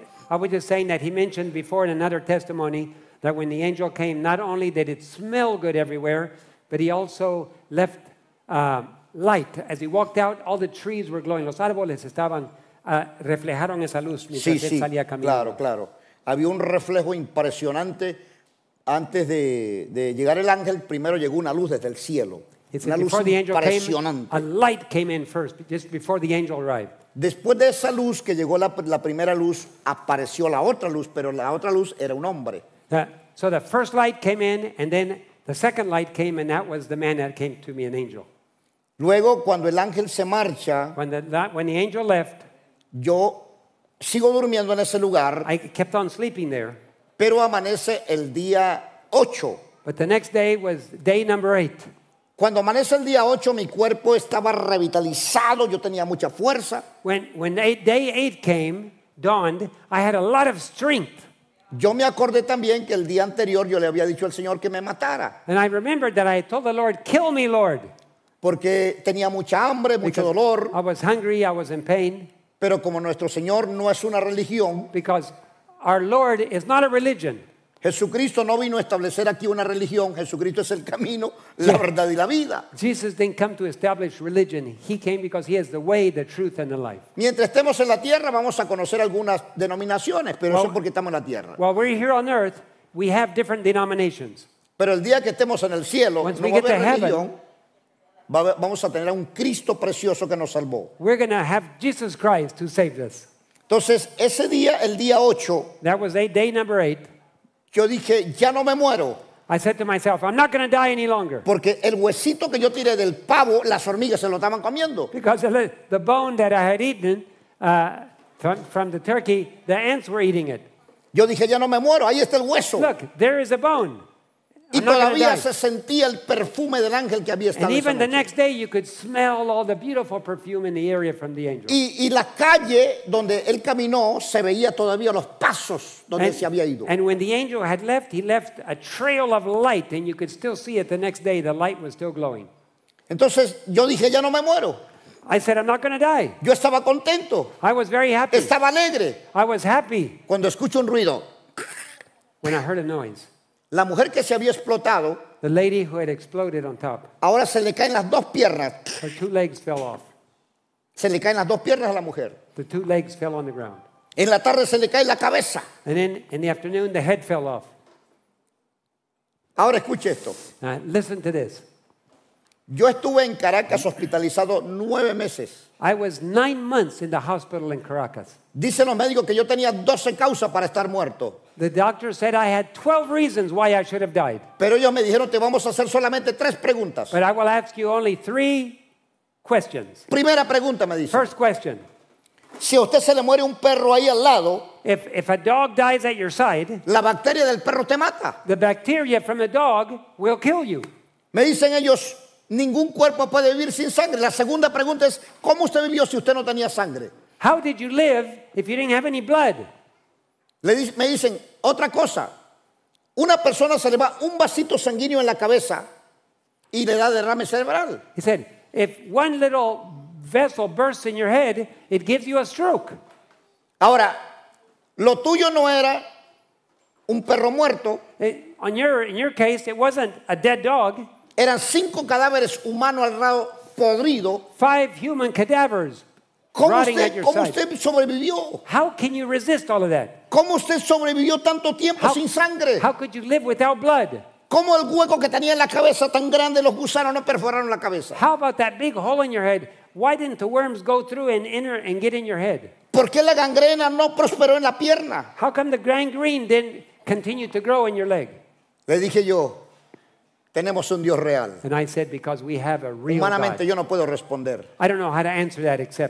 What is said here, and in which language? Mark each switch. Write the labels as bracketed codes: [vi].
[en] I was just saying that he mentioned before in another testimony that when the angel came, not only did it smell good everywhere, but he also left light. As he walked out, all the trees were glowing. [es] Los árboles estaban reflejaron esa luz mientras sí, él salía caminando. Sí, claro. Había un reflejo impresionante antes de llegar el ángel. Primero llegó una luz desde el cielo. Una luz impresionante. [en] A light came in first, just before the angel arrived. [es] Después de esa luz que llegó la primera luz, apareció la otra luz, pero la otra luz era un hombre. [en] So the first light came in, and then the second light came, and that was the man that came to me, an angel. [es] Luego, cuando el ángel se marcha, [en] when the angel left, [es] yo sigo durmiendo en ese lugar, [en] I kept on sleeping there, [es] pero amanece el día 8. [en] But the next day was day number 8. [es] Cuando amanece el día 8, mi cuerpo estaba revitalizado, yo tenía mucha fuerza. [en] When day 8 came, dawned, I had a lot of strength. [es] Yo me acordé también que el día anterior yo le había dicho al Señor que me matara. [en] And I remembered that I told the Lord, kill me, Lord. [es] Porque tenía mucha hambre, mucho dolor. [en] I was hungry, I was in pain. [es] Pero como nuestro Señor no es una religión. [en] Because our Lord is not a religion. [es] Jesucristo no vino a establecer aquí una religión. Jesucristo es el camino, la verdad y la vida. [en] Jesus didn't come to establish religion. He came because he is the way, the truth, and the life. [es] Mientras estemos en la tierra, vamos a conocer algunas denominaciones, pero eso porque estamos en la tierra. [en] While we're here on earth, we have different denominations. [es] Pero el día que estemos en el cielo, [en] once [es] no va a haber religión. Vamos a tener a un Cristo precioso que nos salvó. [en] We're going to have Jesus Christ who saved us. [es] Entonces, ese día, el día 8, [en] that was day number 8. [es] Yo dije, ya no me muero. [en] I said to myself, I'm not going to die any longer. [es] Porque el huesito que yo tiré del pavo, las hormigas se lo estaban comiendo. [en] Because the bone that I had eaten from the turkey, the ants were eating it. [es] Yo dije, ya no me muero, ahí está el hueso. [en] Look, there is a bone. [es] Y todavía se sentía el perfume del ángel que había estado. [en] And even the next day you could smell all the beautiful perfume in the area from the angel. [es] Y la calle donde él caminó se veía todavía los pasos donde él se había ido. [en] And when the angel had left, he left a trail of light and you could still see it the next day. The light was still glowing. [es] Entonces yo dije, ya no me muero. [en] I said, I'm not going to die. [es] Yo estaba contento. [en] I was very happy. [es] Estaba alegre. [en] I was happy. [es] Cuando escucho un ruido. [en] When I heard a noise. [es] La mujer que se había explotado, [en] the lady who had exploded on top, [es] ahora se le caen las dos piernas. [en] Her two legs fell off. [es] Se le caen las dos piernas a la mujer. [en] The two legs fell on the ground. [es] En la tarde se le cae la cabeza. [en] And then in the afternoon the head fell off. [es] Ahora escuche esto. [en] Now, listen to this. [es] Yo estuve en Caracas hospitalizado 9 meses. [en] I was 9 months in the hospital in Caracas. [es] Dicen los médicos que yo tenía 12 causas para estar muerto. [en] The doctor said I had 12 reasons why I should have died. [es] Pero ellos me dijeron, te vamos a hacer solamente 3 preguntas. [en] But I will ask you only 3 questions. [es] Primera pregunta, me dice. [en] First question. [es] Si a usted se le muere un perro ahí al lado, [en] if a dog dies at your side, [es] la bacteria del perro te mata. [en] The bacteria from the dog will kill you. [es] Me dicen ellos, ningún cuerpo puede vivir sin sangre. La segunda pregunta es, ¿cómo usted vivió si usted no tenía sangre? [en] How did you live if you didn't have any blood? [es] Me dicen, otra cosa. Una persona se le va un vasito sanguíneo en la cabeza y le da derrame cerebral. [en] He said, if one little vessel bursts in your head, it gives you a stroke. [es] Ahora, lo tuyo no era un perro muerto. [en] In your case, it wasn't a dead dog. [es] Eran cinco cadáveres humanos al lado podrido. [en] Five human cadavers. [es] ¿Cómo usted sobrevivió? [en] How can you resist all of that? [es] ¿Cómo usted sobrevivió tanto tiempo sin sangre? [en] How could you live without blood? [es] ¿Cómo el hueco que tenía en la cabeza tan grande los gusanos no perforaron la cabeza? [en] How about that big hole in your head? Why didn't the worms go through and enter and get in your head? [es] ¿Por qué la gangrena no prosperó en la pierna? [en] How come the gangrene didn't continue to grow in your leg? [es] Le dije yo, tenemos un Dios real. [en] And I said, because we have a real [es] humanamente [en] God. [es] Yo no puedo responder. [en] I don't know how to answer that except.